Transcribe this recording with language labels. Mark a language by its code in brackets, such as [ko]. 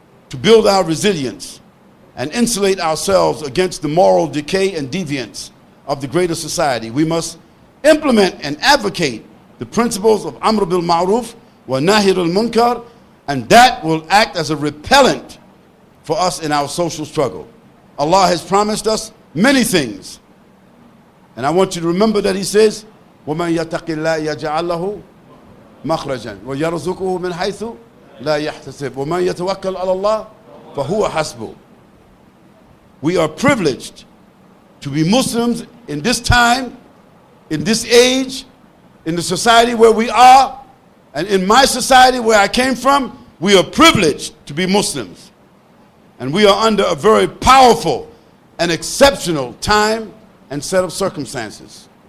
[en] To build our resilience and insulate ourselves against the moral decay and deviance of the greater society, we must implement and advocate the principles of Amr bil Ma'ruf wa Nahy al Munkar. And that will act as a repellent for us in our social struggle. Allah has promised us many things. And I want you to remember that He says, [ar] وَمَنْ يَتَقِ اللَّهِ يَجْعَلْ لَهُ مَخْرَجًا وَيَرْزُقُهُ مِنْ حَيْثُ لَا يَحْتَسِبُ وَمَنْ يَتَوَكَّلْ عَلَى اللَّهِ فَهُوَ حَسْبُ. [en] We are privileged to be Muslims in this time, in this age, in the society where we are. And in my society where I came from, we are privileged to be Muslims. And we are under a very powerful and exceptional time and set of circumstances.